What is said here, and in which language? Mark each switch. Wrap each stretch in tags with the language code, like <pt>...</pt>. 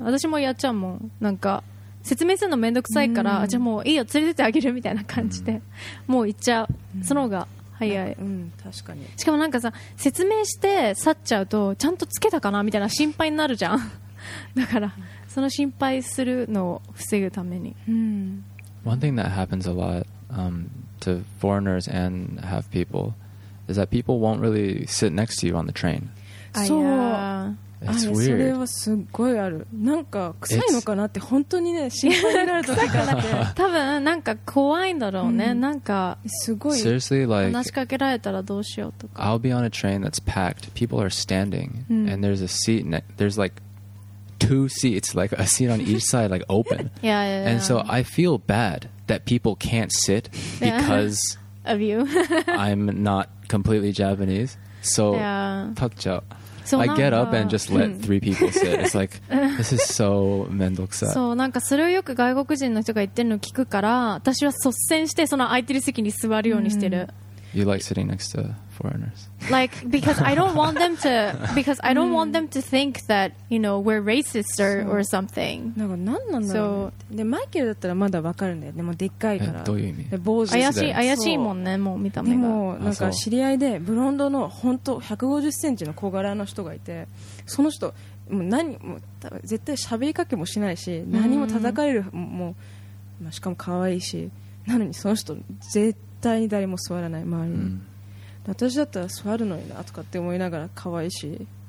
<ja>私もやっちゃうもん。なんか説明するのめんどくさいから、うん、じゃあもういいよ連れてってあげるみたいな感じで、うん、もう行っちゃう、うん、その方が早い。うん、確かに。しかもなんかさ説明して去っちゃうとちゃんとつけたかなみたいな心配になるじゃん。だから、うん、その心配するのを防ぐために。</ja> <en>One thing that happens a lot to foreigners and half people is that people won't really sit next to you on the train.</en> <ja>そう。</ja> <en>It's weird.</en> <ja>それはすごいある。なんか臭いのかなって本当にね心配になるとかなって。多分なんか怖いんだろうね。なんかすごい。</ja> <en>Seriously, like</en> <ja>話しかけられたらどうしようとか。</ja> <en>I'll be on a train that's packed. People are standing, and there's a seat. There's like two seats, like a seat on each side, like open. Yeah. And so I feel bad that people can't sit because of you. I'm not completely Japanese. So, yeah. So I get up and just let three people sit. It's like, this is so mendokusai.</en> <ja>So, なんかそれをよく外国人の人が言ってるのを聞くから、私は率先してその空いてる席に座るようにしてる。</ja> <en>You like sitting next to foreigners. Like, because I don't want them to think that, you know, we're racist or something.</en> <ja>なんか何なんだろうね。So, で、マイケルだったらまだ分かるんだよね。もうでっかいから。どういう意味？で、坊主で。怪しいもんね、もう見た目が。でも、なんか知り合いで、ブロンドの本当150センチの小柄の人がいて、その人、もう何も、多分絶対喋りかけもしないし、何も叩かれる、もう、まあ、しかも可愛いし、なのにその人、絶対、絶対に誰も座らない周りに、うん、私だったら座るのになとかって思いながら可愛いし、</ja>